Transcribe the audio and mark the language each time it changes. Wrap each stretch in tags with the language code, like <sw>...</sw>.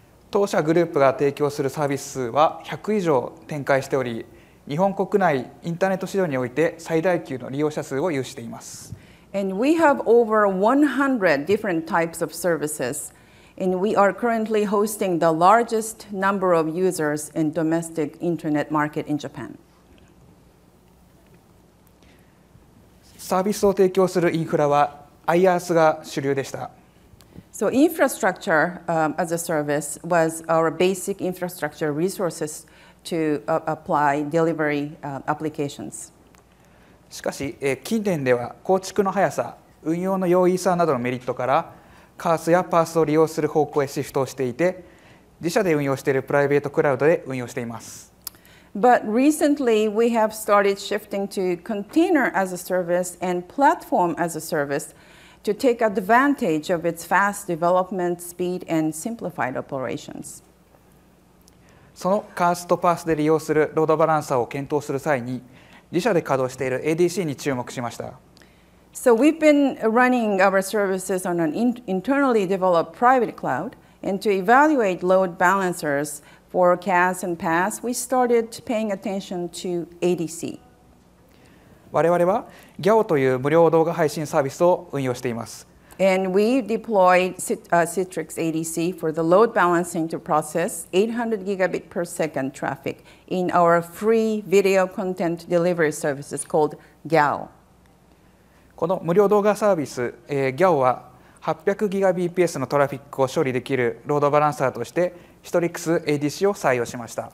<ja>当社グループが提供するサービス数は100以上展開しており、日本国内インターネット市場において最大級の利用者数を有しています。</ja> <en>And we have over 100 different types of services. And we are currently hosting the largest number of users in domestic internet market in Japan.</en> <ja>サービスを提供するインフラは IaaS が主流でした。</ja> <en>So infrastructure, as a service was our basic infrastructure resources to apply delivery, applications.</en> <ja>しかし、近年では構築の速さ、運用の容易さなどのメリットからカースやパースを利用する方向へシフトをしていて、自社で運用しているプライベートクラウドで運用しています。</ja> <en>But recently we have started shifting to container as a service and platform as a service to take advantage of its fast development speed and simplified operations.</en> <ja>そのカースとパースで利用するロードバランサーを検討する際に、自社で稼働している ADC に注目しました。</ja> <en>So we've been running our services on an internally developed private cloud, and to evaluate load balancers for CAS and PAS, we started paying attention to ADC.</en> <ja>我々は GAO という無料動画配信サービスを運用しています。</ja> <en>And we deployed Citrix ADC for the load balancing to process 800 gigabit per second traffic in our free video content delivery services called GAO.</en> <ja>この無料動画サービス、GAO は 800GBPS のトラフィックを処理できるロードバランサーとして Citrix ADC を採用しました。</ja>